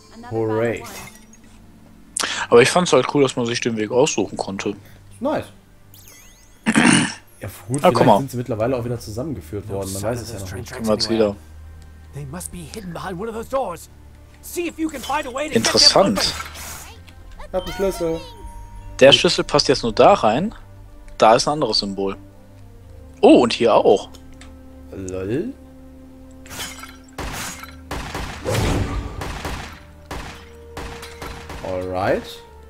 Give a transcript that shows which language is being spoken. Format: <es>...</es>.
<en>Hooray.</en> <de>Aber ich fand es halt cool, dass man sich den Weg aussuchen konnte.</de> <en>Nice.</en> <de>Ja, gut, vielleicht sind sie mittlerweile auch wieder zusammengeführt worden. Man weiß es ja noch nicht. Kommen wir wieder.</de> <en>They must be hidden behind one of those doors. See if you can find a way to. Interessant.</en> <de>Ich hab den Schlüssel. Der Schlüssel passt jetzt nur da rein. Da ist ein anderes Symbol. Oh, und hier auch. Lol.</de> <en>Alright.</en>